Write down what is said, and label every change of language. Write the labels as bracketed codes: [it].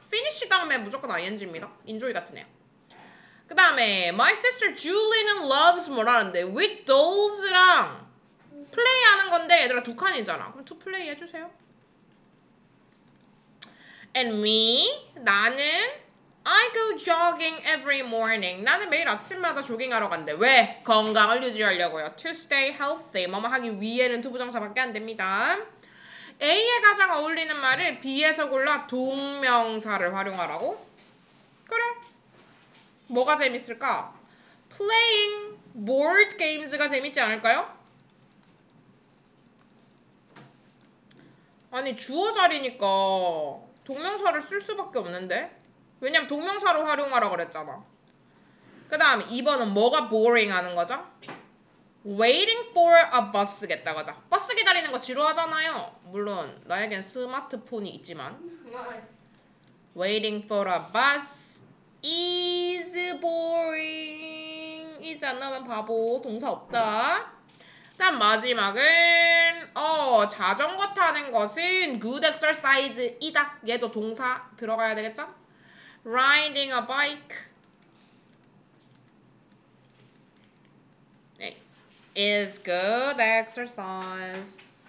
[ko] finish 다음에 무조건 ing입니다. enjoy 같은 애. 그 다음에 my sister Julie는 loves 뭐라는데 with dolls랑 play 하는 건데 얘들아 두 칸이잖아. 그럼 to play 해주세요. [en] And me, [ko] 나는 [en] I go jogging every morning. [ko] 나는 매일 아침마다 조깅하러 간대. 왜? 건강을 유지하려고요. [en] To stay healthy. [ko] 뭐뭐 하기 위해는 to 부정사밖에 안 됩니다. A에 가장 어울리는 말을 B에서 골라 동명사를 활용하라고? 그래. 뭐가 재밌을까? [en] Playing board games가 [ko] 재밌지 않을까요? 아니 주어 자리니까 동명사를 쓸 수밖에 없는데? 왜냐면 동명사로 활용하라고 그랬잖아. 그 다음 2번은 뭐가 boring 하는 거죠? [en] Waiting for a bus겠다 [ko] 거죠. 버스 기다리는 거 지루하잖아요. 물론 나에겐 스마트폰이 있지만 [en] Waiting for a bus is boring [ko] 이잖아. 왜 바보 동사 없다. 다음 마지막은 자전거 타는 것은 good exercise이다. 얘도 동사 들어가야 되겠죠? [en] Riding a bike is good exercise.